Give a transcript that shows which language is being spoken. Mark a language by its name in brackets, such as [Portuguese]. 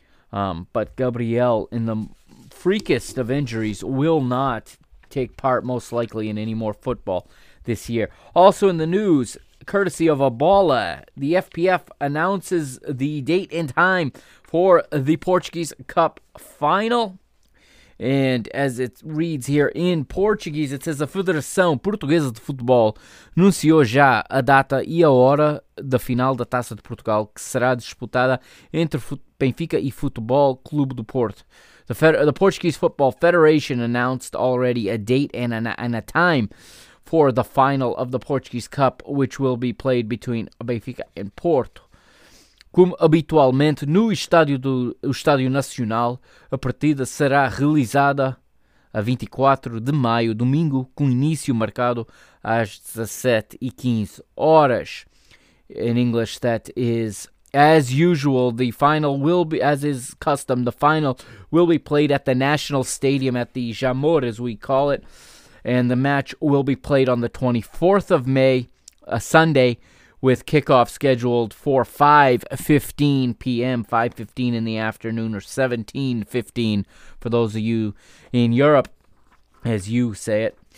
[English] But Gabriel, in the freakest of injuries, will not take part most likely in any more football this year. Also in the news, courtesy of Ebola, the FPF announces the date and time for the Portuguese Cup final. And as it reads here in Portuguese, it says [Portuguese] a Federação Portuguesa de Futebol anunciou já a data e a hora da final da Taça de Portugal, que será disputada entre Benfica e Futebol Clube do Porto. [English] The Portuguese Football Federation announced already a date and a time for the final of the Portuguese Cup, which will be played between Benfica and Porto. [Portuguese] Como habitualmente, no estádio do Estádio Nacional, a partida será realizada a 24 de maio, domingo, com início marcado às 17h15 horas. [English] In English, that is, as usual, the final will be, as is custom, the final will be played at the National Stadium at the Jamor, as we call it, and the match will be played on the 24th of May, a Sunday, with kickoff scheduled for 5:15 p.m., 5:15 in the afternoon, or 17:15 for those of you in Europe, as you say it.